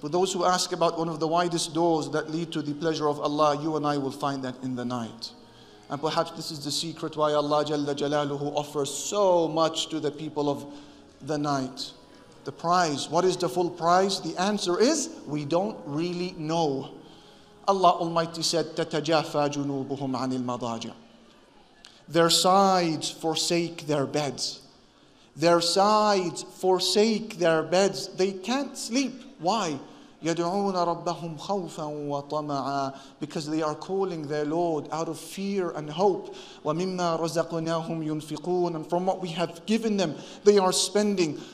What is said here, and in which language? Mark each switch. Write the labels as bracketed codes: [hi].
[en] For those who ask about one of the widest doors that lead to the pleasure of Allah, you and I will find that in the night. And perhaps this is the secret why Allah Jalla Jalaluhu offers so much to the people of the night. The prize, what is the full prize? The answer is, we don't really know. Allah Almighty said, [ar] تَتَجَافَى جُنُوبُهُمْ عَنِ الْمَضَاجَ. [en] Their sides forsake their beds. Their sides forsake their beds. They can't sleep. Why? [ar] يَدْعُونَ رَبَّهُمْ خَوْفًا وَطَمَعًا, [en] because they are calling their Lord out of fear and hope. [ar] وَمِمَّا رَزَقْنَاهُمْ يُنْفِقُونَ, [en] and from what we have given them, they are spending.